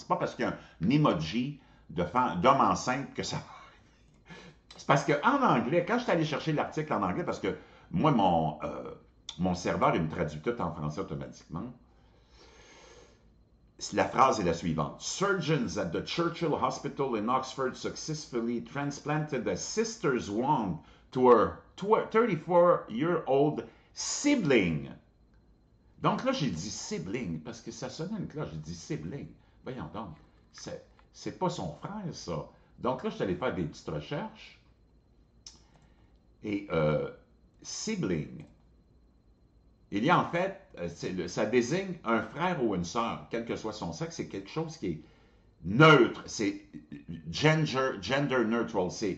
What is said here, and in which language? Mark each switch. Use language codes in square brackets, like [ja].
[fr] C'est pas parce qu'il y a un emoji d'homme enceinte que ça. C'est parce qu'en anglais, quand je suis allé chercher l'article en anglais, parce que moi, mon serveur, il me traduit tout en français automatiquement. La phrase est la suivante. [en] Surgeons at the Churchill Hospital in Oxford successfully transplanted a sister's wound to her 34-year-old sibling. [fr] Donc là, j'ai dit sibling, parce que ça sonnait une cloche. J'ai dit sibling. Voyons donc, c'est pas son frère, ça. Donc là, je suis allé faire des petites recherches. Et sibling, il y a en fait, ça désigne un frère ou une sœur, quel que soit son sexe, c'est quelque chose qui est neutre, c'est gender neutral.